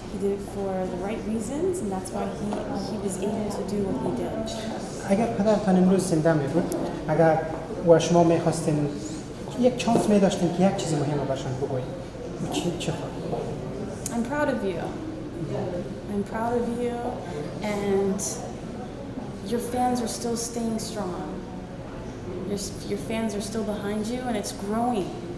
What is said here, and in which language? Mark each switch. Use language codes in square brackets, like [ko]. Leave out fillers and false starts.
[en] He did it for the right reasons, and that's why he was able to do what he did. [fa] اگر پدرتان امروز زنده بود، اگر و شما میخواستین یک چانس میداشتین که یک چیز مهم برشان بگوید، چی خواهد؟ [en] I'm proud of you. I'm proud of you, and your fans are still staying strong. your fans are still behind you, and it's growing.